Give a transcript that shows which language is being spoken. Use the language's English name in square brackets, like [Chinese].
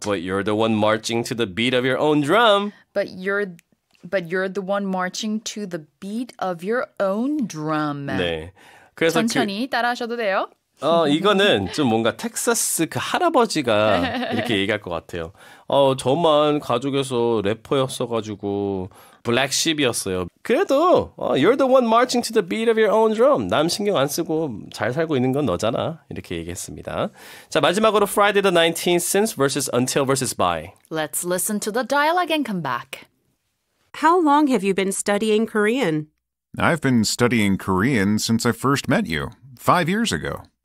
[English] But you're the one marching to the beat of your own drum. But you're the one marching to the beat of your own drum. [Korean] 네, 그래서 천천히 따라하셔도 돼요. 이거는 좀 뭔가 텍사스 그 할아버지가 이렇게 얘기할 것 같아요. 저만 가족에서 래퍼였어가지고 블랙십이었어요. 그래도 [English] you're the one marching to the beat of your own drum. [Korean] 남 신경 안 쓰고 잘 살고 있는 건 너잖아. 이렇게 얘기했습니다. 자, 마지막으로 [English] Friday the 19th since versus until versus by. Let's listen to the dialogue and come back. How long have you been studying Korean? I've been studying Korean since I first met you, 5 years ago.